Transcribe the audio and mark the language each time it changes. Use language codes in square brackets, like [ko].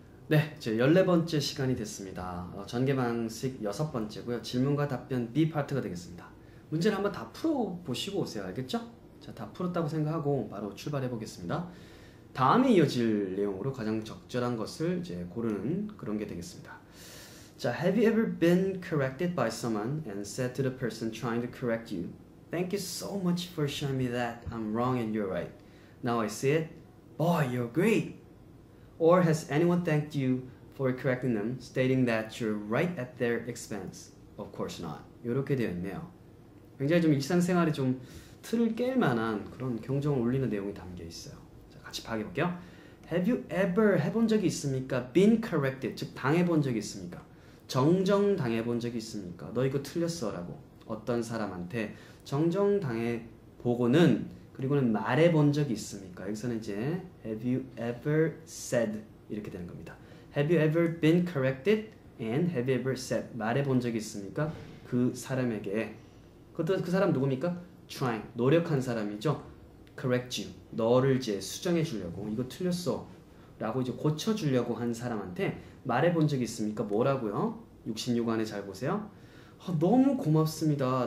[ko] 네, 제 14번째 시간이 됐습니다. 전개방식 6번째고요. 질문과 답변 B 파트가 되겠습니다. 문제를 한번 다 풀어보시고 오세요. 알겠죠? 자, 다 풀었다고 생각하고 바로 출발해 보겠습니다. 다음에 이어질 내용으로 가장 적절한 것을 이제 고르는 그런 게 되겠습니다. [en] 자, Have you ever been corrected by someone and said to the person trying to correct you, "Thank you so much for showing me that I'm wrong and you're right. Now I see it. Boy, you're great." Or has anyone thanked you for correcting them, stating that you're right at their expense? Of course not. [ko] 이렇게 되어 있네요. 굉장히 좀 일상생활에 좀 틀을 깰 만한 그런 경종을 울리는 내용이 담겨 있어요. 자, 같이 파악해볼게요. [en] Have you ever [ko] 해본 적이 있습니까? [en] Been corrected, [ko] 즉 당해본 적이 있습니까? 정정 당해본 적이 있습니까? 너 이거 틀렸어라고 어떤 사람한테 정정 당해보고는 그리고는 말해본 적이 있습니까? 여기서는 이제 [en] Have you ever said [ko] 이렇게 되는 겁니다. [en] Have you ever been corrected and have you ever said [ko] 말해본 적이 있습니까? 그 사람에게 그것도 그 사람 누굽니까? Trying 노력한 사람이죠. [en] Correct you [ko] 너를 이제 수정해 주려고 이거 틀렸어 라고 이제 고쳐 주려고 한 사람한테 말해본 적이 있습니까? 뭐라고요? 66 안에 잘 보세요. 너무 고맙습니다.